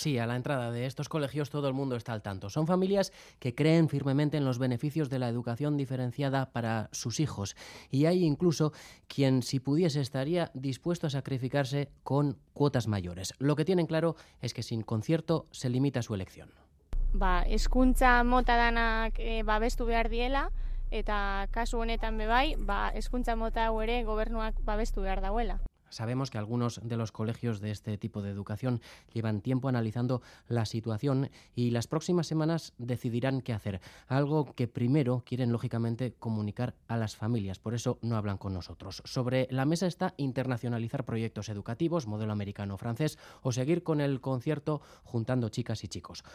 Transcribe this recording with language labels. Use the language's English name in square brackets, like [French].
[Spanish] Sí, a la entrada de estos colegios todo el mundo está al tanto. Son familias que creen firmemente en los beneficios de la educación diferenciada para sus hijos. Y hay incluso quien, si pudiese, estaría dispuesto a sacrificarse con cuotas mayores. Lo que tienen claro es que sin concierto se limita su elección. [Basque] Ba, hezkuntza mota danak babestu behar diela, eta kasu honetan bebai, ba, hezkuntza mota hau ere gobernuak babestu behar dauela. [Spanish] Sabemos que algunos de los colegios de este tipo de educación llevan tiempo analizando la situación y las próximas semanas decidirán qué hacer. Algo que primero quieren, lógicamente, comunicar a las familias. Por eso no hablan con nosotros. Sobre la mesa está internacionalizar proyectos educativos, modelo americano o francés, o seguir con el concierto juntando chicas y chicos.